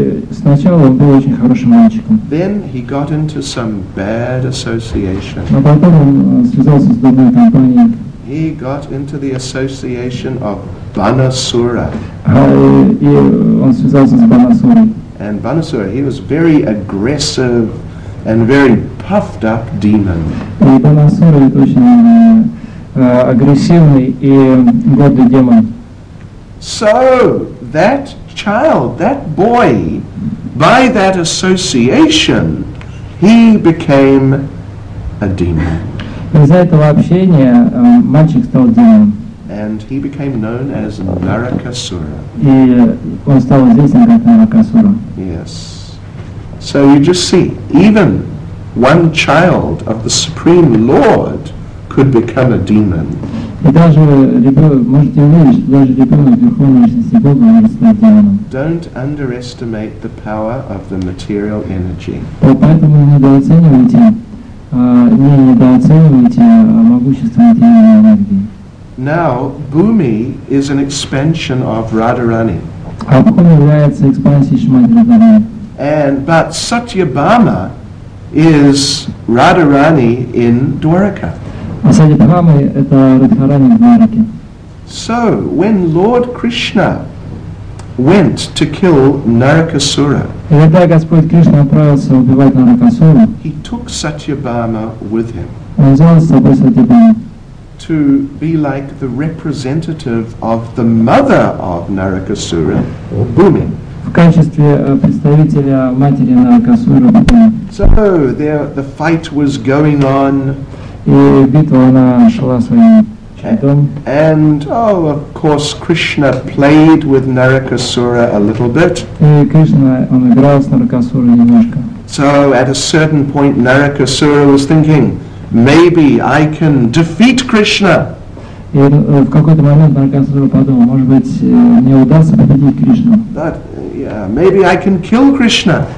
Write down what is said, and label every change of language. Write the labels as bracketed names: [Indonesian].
[Russian] Сначала он был очень хорошим мальчиком. [English] Then he got into some bad association. [Russian] Но потом он связался с дурной компанией. [English] He got into the association of Banasura. [Russian] И он связался с Банасурой. [English] And Banasura, he was very aggressive and very puffed up demon. [Russian] И Банасура это очень агрессивный и гордый демон. [English] So that child, that boy, by that association, he became a demon. [Russian] Из-за этого общения мальчик стал демоном. [English] And he became known as Narakasura. [Russian] И он стал известен как Наракасура. [English] Yes. So you just see, even one child of the Supreme Lord could become a demon. [Russian] И даже ребенок, можете увидеть, что даже ребенок Верховной Личности Бога может стать демоном. [English] Don't underestimate the power of the material energy. [Russian] Поэтому не недооценивайте могущество материальной энергии. [English] Now, Bhumi is an expansion of Radharani. [Russian] А Бхуми является экспансией Шимати Радхарани. [English] But Satyabhama is Radharani in Dwaraka. [Russian] А Сатьябхама – это Радхарани в Двараке. [English] So, when Lord Krishna went to kill Narakasura, [Russian] и когда Господь Кришна отправился убивать Наракасуру, [English] he took Satyabhama with him. [Russian] Он взял с собой Сатьябхаму. [English] To be like the representative of the mother of Narakasura, Bhumi. [Russian] В качестве представителя матери Наракасуры Бхуми. [English] So there, the fight was going on. [Russian] И битва она шла своим чередом. [English] And of course Krishna played with Narakasura a little bit. [Russian] И Кришна он играл с Наракасурой немножко. [English] So at a certain point Narakasura was thinking. Maybe I can defeat Krishna. [Russian] И в какой-то момент Наракасура подумал, может быть, мне удастся победить Кришну. [English] But maybe I can kill Krishna.